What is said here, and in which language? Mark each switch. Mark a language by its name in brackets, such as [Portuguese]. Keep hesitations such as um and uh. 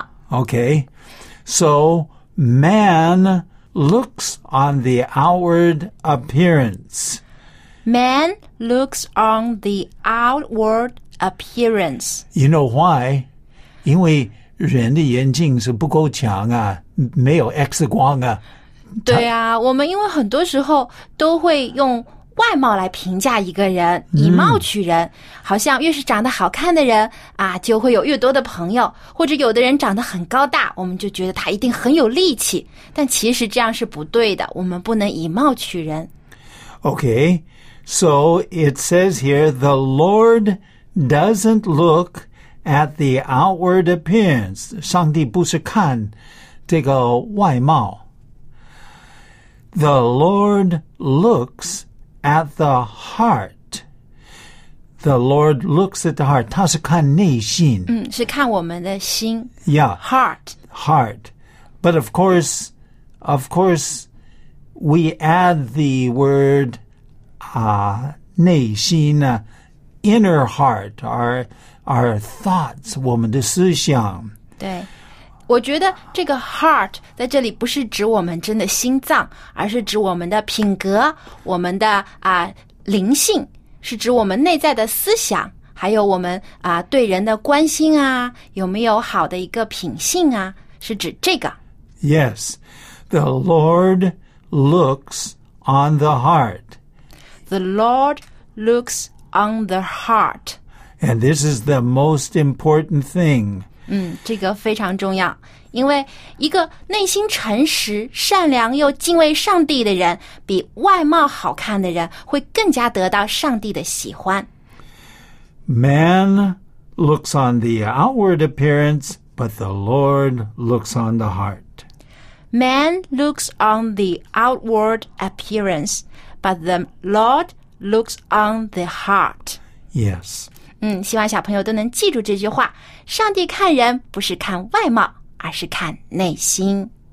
[English] okay, so man looks on the outward appearance. Man looks on the outward appearance. You know why? [Chinese] 因为人的眼睛是不够强啊，没有 X 光啊。对啊，我们因为很多时候都会用外貌来评价一个人，以貌取人，嗯、好像越是长得好看的人啊，就会有越多的朋友，或者有的人长得很高大，我们就觉得他一定很有力气。但其实这样是不对的，我们不能以貌取人。 [English] Okay, so it says here the Lord doesn't look at the outward appearance， [Chinese] 上帝不是看这个外貌。 [English] The Lord looks at the heart. The Lord looks at the heart. [Chinese] 他是看内心。嗯,是看我们的心。Yeah. Heart. [English] Heart. But of course, of course, we add the word, uh, 内心, inner heart, our, our thoughts， [Chinese] 我们的思想。对，我觉得这个 heart 在这里不是指我们真的心脏，而是指我们的品格、我们的啊、呃、灵性，是指我们内在的思想，还有我们啊、呃、对人的关心啊，有没有好的一个品性啊，是指这个。 [English] Yes, the Lord looks on the heart. The Lord looks on the heart. And this is the most important thing. [Chinese] 嗯,这个非常重要,因为一个内心诚实,善良又敬畏上帝的人,比外貌好看的人会更加得到上帝的喜欢。 [English] Man looks on the outward appearance, but the Lord looks on the heart. Man looks on the outward appearance, but the Lord looks on the heart. Yes. [Chinese] 嗯，希望小朋友都能记住这句话：上帝看人不是看外貌，而是看内心。